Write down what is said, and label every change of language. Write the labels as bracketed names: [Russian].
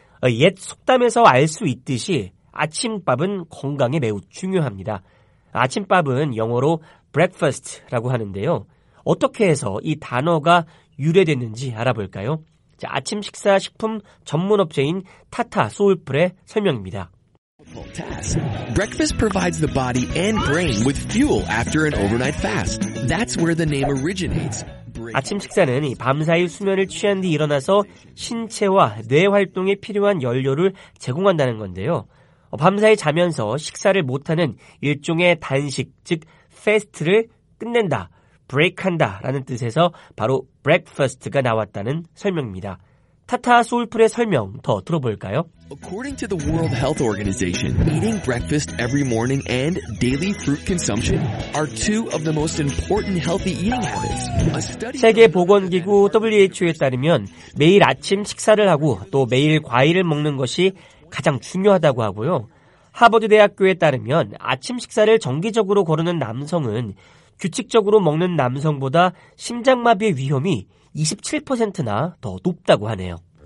[Korean] 옛 속담에서 알 수 있듯이 아침밥은 건강에 매우 중요합니다. 아침밥은 영어로 breakfast라고 하는데요. 어떻게 해서 이 단어가 유래됐는지 알아볼까요? 아침 식사 식품 전문 업체인 타타 소울풀의 설명입니다. [English] Breakfast provides the body and brain with fuel after an overnight fast. That's where the name originates. [Korean] 아침 식사는 밤사이 수면을 취한 뒤 일어나서 신체와 뇌 활동에 필요한 연료를 제공한다는 건데요. 밤사이 자면서 식사를 못하는 일종의 단식, 즉 패스트를 끝낸다, 브레이크한다 라는 뜻에서 바로 breakfast가 나왔다는 설명입니다. 타타 소울풀의 설명 더 들어볼까요? [English] According to the World Health Organization, eating breakfast every morning and daily fruit consumption are two of the most important healthy eating habits. [Korean] 세계보건기구 WHO에 따르면 매일 아침 식사를 하고 또 매일 과일을 먹는 것이 가장 중요하다고 하고요. 하버드대학교에 따르면 아침 식사를 정기적으로 거르는 남성은 규칙적으로 먹는 남성보다 심장마비의 위험이 27%나 더 높다고 하네요.